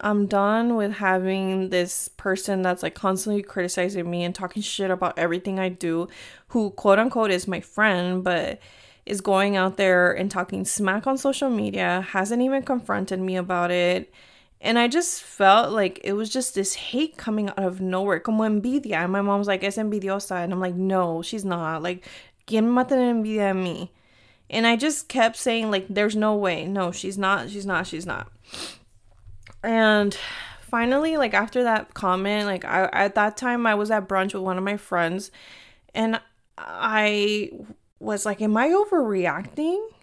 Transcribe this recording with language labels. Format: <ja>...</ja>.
<en>I'm done with having this person that's like constantly criticizing me and talking shit about everything I do, who quote unquote is my friend, but is going out there and talking smack on social media, hasn't even confronted me about it. And I just felt like it was just this hate coming out of nowhere.</en> <es>Como envidia.</es> <en>And my mom's like,</en> <es>es envidiosa.</es> <en>And I'm like, no, she's not.</en> <es>Like, ¿quién más tiene envidia de mí?</es> <en>And I just kept saying, like, there's no way. No, she's not. She's not. She's not. And finally, like, after that comment, like, I at that time, I was at brunch with one of my friends. And I was like, am I overreacting?</en>